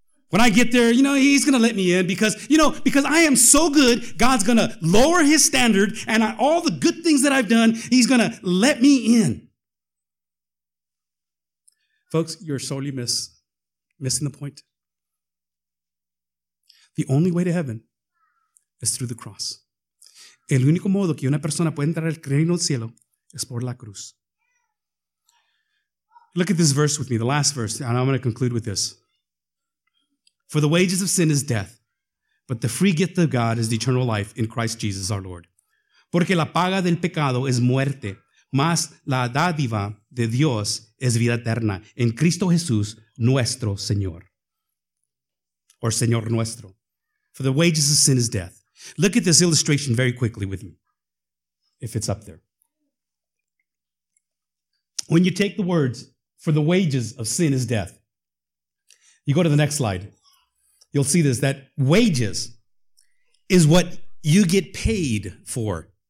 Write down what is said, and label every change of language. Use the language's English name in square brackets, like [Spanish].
[English] When I get there, you know, he's going to let me in because, you know, because I am so good, God's going to lower his standard and all the good things that I've done, he's going to let me in. Folks, you're sorely missing the point. The only way to heaven is through the cross. [Spanish] El único modo que una persona puede entrar al reino del cielo es por la cruz. [English] Look at this verse with me, the last verse, and I'm going to conclude with this. For the wages of sin is death, but the free gift of God is the eternal life in Christ Jesus our Lord. [Spanish] Porque la paga del pecado es muerte, mas la dádiva de Dios es vida eterna en Cristo Jesús nuestro Señor. Or Señor nuestro. [English] For the wages of sin is death. Look at this illustration very quickly with me, if it's up there. When you take the words, for the wages of sin is death, you go to the next slide. You'll see this, that wages is what you get paid for.